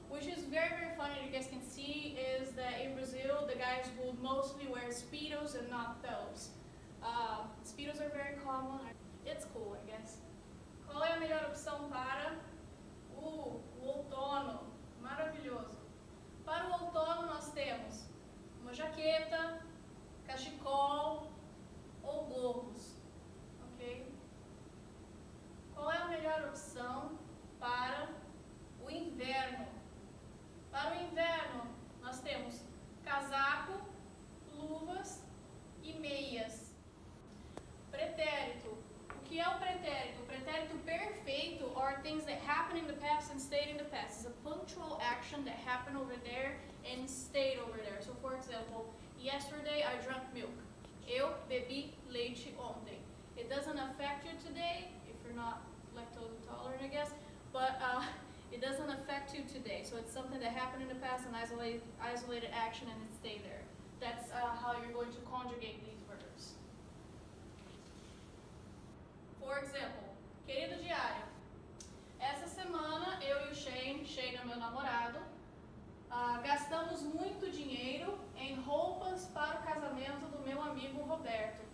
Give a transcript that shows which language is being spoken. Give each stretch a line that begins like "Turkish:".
English: Which is very, very funny, you guys can see, is that in Brazil, the guys will mostly wear speedos and not those. Speedos are very common. It's cool, I guess.
Portuguese: Qual é a melhor opção para o outono? Maravilhoso. Para o outono, nós temos uma jaqueta, cachecol ou gorros, ok? Qual é a melhor opção para o inverno? Para o inverno, nós temos casaco, luvas e meias. Pretérito. O que é o pretérito?
English: O pretérito perfeito are things that happen in the past and stayed in the past. It's a punctual action that happened over there and stayed over there. So, for example, yesterday I drank milk.
Portuguese: Eu bebi leite ontem.
English: It doesn't affect you today, if you're not lactose intolerant, I guess, but it doesn't affect you today. So it's something that happened in the past, an isolated action, and it stayed there. That's how you're going to conjugate these verbs. For example,
Portuguese: querido diário, essa semana eu e o Shane, meu namorado, gastamos muito dinheiro em roupas para o casamento do meu amigo Roberto.